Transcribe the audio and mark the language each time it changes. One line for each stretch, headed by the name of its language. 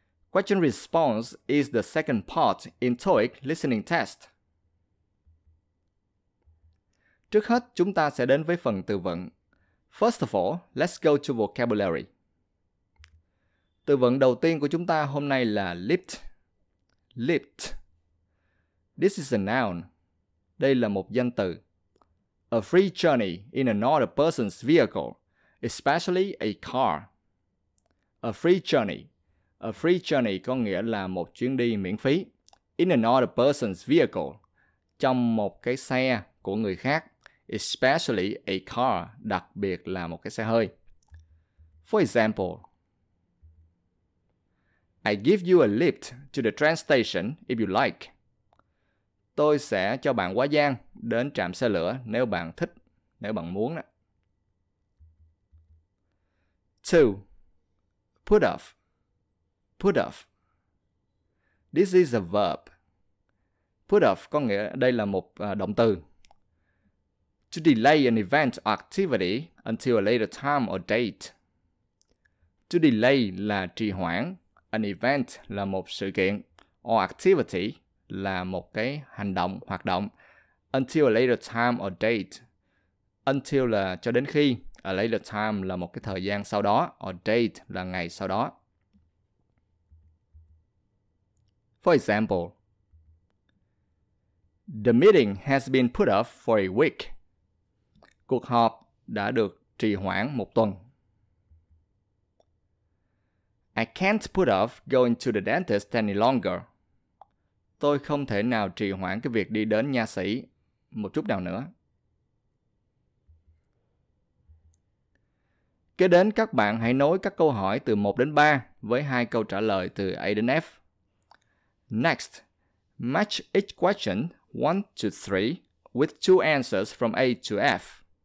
English: Question Response is the second part in TOEIC Listening Test.
Vietnamese: Trước hết, chúng ta sẽ đến với phần từ vựng.
English: First of all, let's go to vocabulary.
Vietnamese: Từ vựng đầu tiên của chúng ta hôm nay là lift.
English: Lift. This is a noun.
Vietnamese: Đây là một danh từ.
English: A free journey in another person's vehicle, especially a car. A free journey. A free journey
Vietnamese: có nghĩa là một chuyến đi miễn phí.
English: In another person's vehicle.
Vietnamese: Trong một cái xe của người khác.
English: Especially a car,
Vietnamese: đặc biệt là một cái xe hơi.
English: For example, I give you a lift to the train station if you like.
Vietnamese: Tôi sẽ cho bạn quá giang đến trạm xe lửa nếu bạn thích, nếu bạn muốn.
English: 2. Put off. Put off. This is a verb. Put off
Vietnamese: có nghĩa đây là một động từ.
English: To delay an event or activity until a later time or date. To delay
Vietnamese: là trì hoãn.
English: An event
Vietnamese: là một sự kiện.
English: Or activity
Vietnamese: là một cái hành động, hoạt động.
English: Until a later time or date. Until
Vietnamese: là cho đến khi.
English: A later time
Vietnamese: là một cái thời gian sau đó.
English: Or date
Vietnamese: là ngày sau đó.
English: For example, the meeting has been put off for a week.
Vietnamese: Cuộc họp đã được trì hoãn một tuần.
English: I can't put off going to the dentist any longer.
Vietnamese: Tôi không thể nào trì hoãn cái việc đi đến nha sĩ một chút nào nữa. Kế đến, các bạn hãy nối các câu hỏi từ 1 đến 3 với hai câu trả lời từ A đến F.
English: Next, match each question 1 to 3 with two answers from A to F.